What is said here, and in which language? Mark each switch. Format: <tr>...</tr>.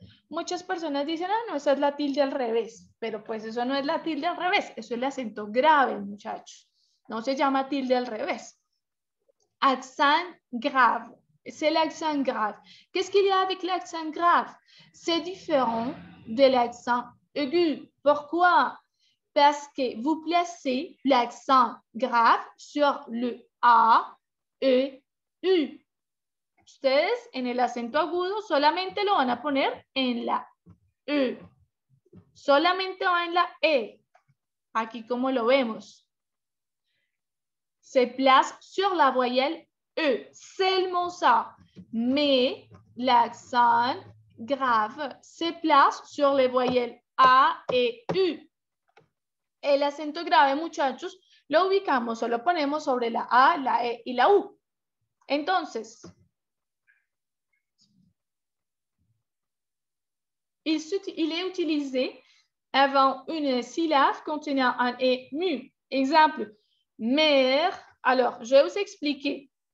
<es>Muchas personas dicen, ah, no, esa es la tilde al revés. Pero pues eso no es la tilde al revés. Eso es el acento grave, muchachos. No se llama tilde al revés.</es> <fr>Accent grave. C'est l'accent grave. Qu'est-ce qu'il y a avec l'accent grave? C'est différent de l'accent aigu. Pourquoi? Parce que vous placez l'accent grave sur le A, E, U.</fr> <es>Ustedes en el acento agudo solamente lo van a poner en la E. Solamente va en la E. Aquí como lo vemos.</es> <fr>Se place sur la voyelle E. Seulement ça. Mais l'accent grave se place sur les voyelles A et U.</fr> <es>El acento grave, muchachos, lo ubicamos o lo ponemos sobre la A, la E y la U.</es> <fr>Entonces, il est utilisé avant une syllabe contenant un E mu. Exemple, mère. Alors, je vais vous expliquer.</fr>